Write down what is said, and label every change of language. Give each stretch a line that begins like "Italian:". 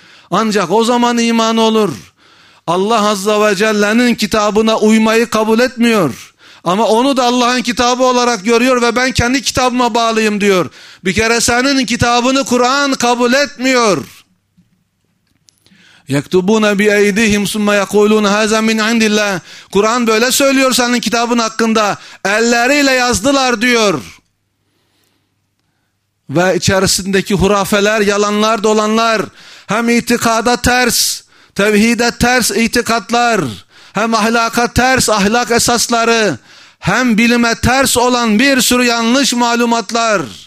Turkish: Ancak o zaman iman olur. Allah Azze ve Celle'nin kitabına uymayı kabul etmiyor. Ama onu da Allah'ın kitabı olarak görüyor ve ben kendi kitabıma bağlıyım diyor. Bir kere senin kitabını Kur'an kabul etmiyor.
Arabic: يَكْتُبُونَ بِيَيْدِهِمْ سُمَّ يَقُولُونَ هَذَا مِنْ عِنْدِ اللّٰهِ
Turkish: Kur'an böyle söylüyor senin kitabın hakkında. Elleriyle yazdılar diyor. Ve içerisindeki hurafeler, yalanlar, dolanlar, hem itikada ters, tevhide ters itikatlar, hem ahlaka ters ahlak esasları, hem bilime ters olan bir sürü yanlış malumatlar.